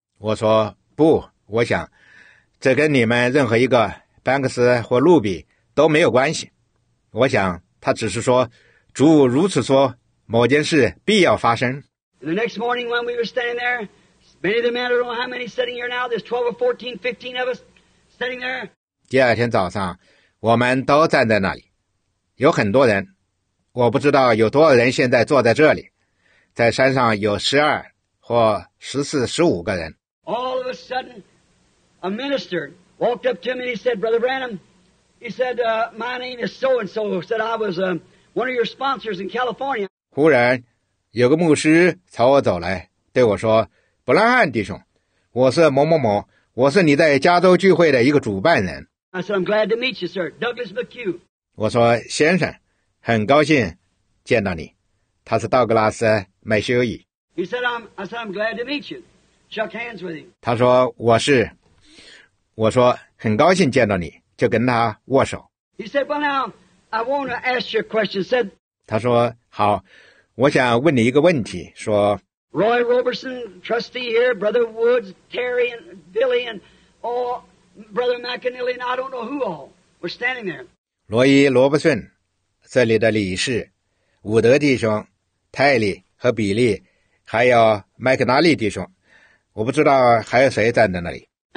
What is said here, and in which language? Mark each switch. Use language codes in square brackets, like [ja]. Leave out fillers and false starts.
[zh] 我说，不，我想。这跟你们任何一个班克斯或路比都没有关系。我想他只是说主如此说某件事必要发生。 [en] And the next morning when we were standing there, many of the men, I don't know how many sitting here now, there's 12 or 14, 15 of us sitting there. [zh] 第二天早上我们都站在那里。有很多人，我不知道有多少人现在坐在这里。在山上有12或14、15个人。 [en] All of a sudden,A minister walked up to me and he said, Brother Branham, he said, my name is so-and-so. He said, I was one of your sponsors in California. [zh] 忽然有个牧师朝我走来对我说，布兰汉弟兄，我是某某某，我是你在加州聚会的一个主办人。 [en] I said, I'm glad to meet you, sir. Douglas McHugh. [zh] 我说，先生，很高兴见到你。他是道格拉斯·麦修伊。 [en] He said, I'm glad to meet you. Shook hands with him. [zh] 他说，我是。我说很高兴见到你，就跟他握手。 [en] He said, "Well, now I want to ask you a question." Said [zh] 他说好，我想问你一个问题。说 [en] Roy Roberson, trustee here, Brother Woods, Terry and Billy and all Brother McAnally and I don't know who all were standing there. [zh] 罗伊·罗伯逊，这里的理事伍德弟兄、泰利和比利，还有麦克纳利弟兄，我不知道还有谁站在那里。